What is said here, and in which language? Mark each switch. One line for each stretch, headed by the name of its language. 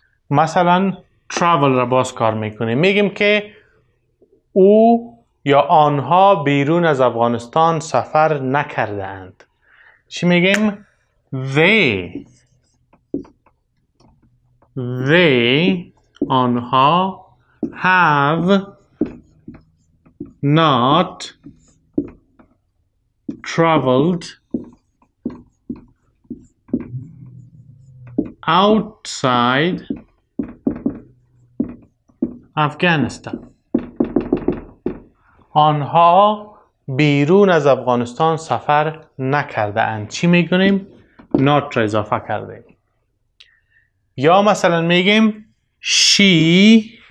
Persian: مثلا travel را باز کار میکنیم، میگیم که او یا آنها بیرون از افغانستان سفر نکرده اند. چی میگیم؟
English: They آنها have not traveled outside Afghanistan.
Persian: آنها بیرون از افغانستان سفر نکرده اند. چی میگونیم؟ not را اضافه کرده. یا مثلا میگیم she